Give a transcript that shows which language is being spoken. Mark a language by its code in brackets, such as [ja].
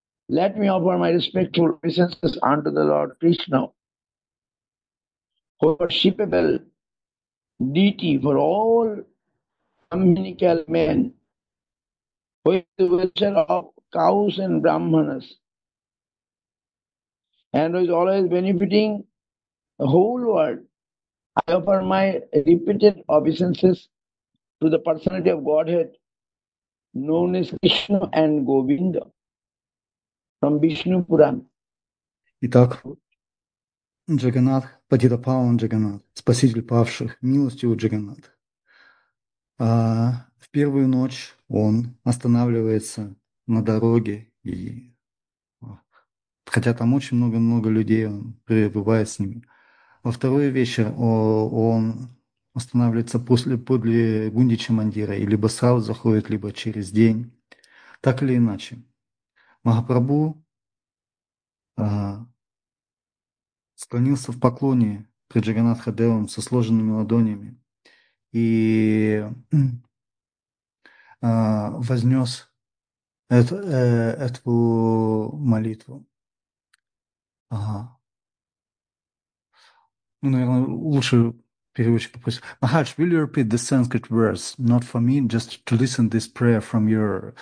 [en] Let me offer my respectful obeisances unto the Lord Krishna, worshipable deity for all communicable men, with the welfare of cows and brahmanas, and who is always benefiting the whole world. I offer my repeated obeisances to the personality of Godhead known as Krishna and Govinda from Vishnu Purana. [ru] Итак, Джаганнат, Патитапаван Джаганнат, спаситель павших, милостивый Джаганнат. В первую ночь он останавливается на дороге, и хотя там очень много-много людей, он пребывает с ними. Во второй вечер он останавливается подле Гундича Мандира, и либо сразу заходит, либо через день. Так или иначе, Махапрабху склонился в поклоне пред Джаганнатхадевом со сложенными ладонями и вознес эту молитву. Ага. Ну, наверное, лучше переводчик попросить. [en] Махадж, will you repeat the Sanskrit verse? Not for me, just to listen this prayer from your...